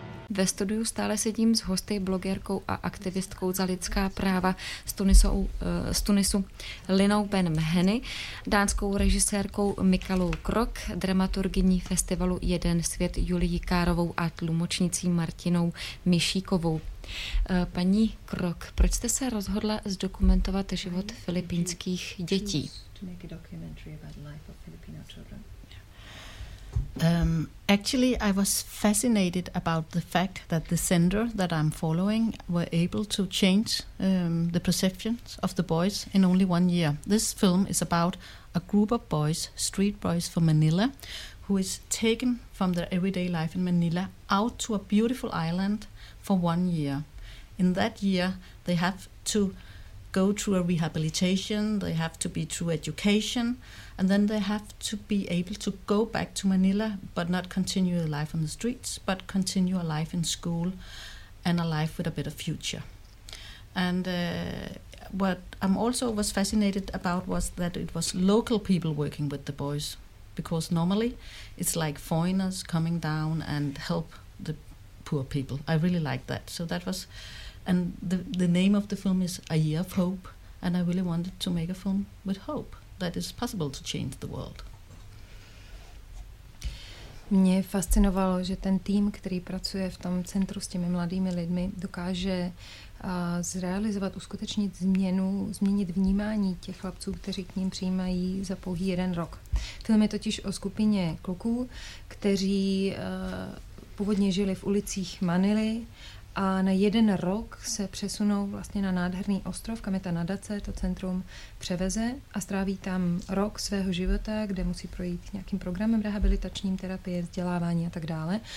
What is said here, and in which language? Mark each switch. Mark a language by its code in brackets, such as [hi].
[cs] Ve studiu stále sedím s hosty, blogerkou a aktivistkou za lidská práva z Tunisu Linou Ben-Mheny, dánskou režisérkou Mikalou Krok, dramaturgyní festivalu Jeden svět Julií Károvou a tlumočnicí Martinou Mišíkovou. Paní Krok, proč jste se rozhodla zdokumentovat život filipínských dětí? [en] Actually, I was fascinated about the fact that the center that I'm following were able to change the perceptions of the boys in only 1 year. This film is about a group of boys, street boys from Manila, who is taken from their everyday life in Manila out to a beautiful island for 1 year. In that year, they have to go through a rehabilitation, they have to be through education, and then they have to be able to go back to Manila, but not continue a life on the streets, but continue a life in school and a life with a better future. And what I'm also was fascinated about was that it was local people working with the boys, because normally it's like foreigners coming down and help the poor people. I really like that. So that was, and the name of the film is A Year of Hope, and I really wanted to make a film with hope. That is possible to change the world. [cs] Mě fascinovalo, že ten tým, který pracuje v tom centru s těmi mladými lidmi, dokáže zrealizovat, uskutečnit změnu, změnit vnímání těch chlapců, kteří k ním přijímají za pouhý 1 rok. Film je totiž o skupině kluků, kteří původně žili v ulicích Manily, a na 1 rok se přesunou vlastně na nádherný ostrov, kam je ta nadace, to centrum, převeze a stráví tam rok svého života, kde musí projít nějakým programem rehabilitačním, terapie, vzdělávání a tak dále.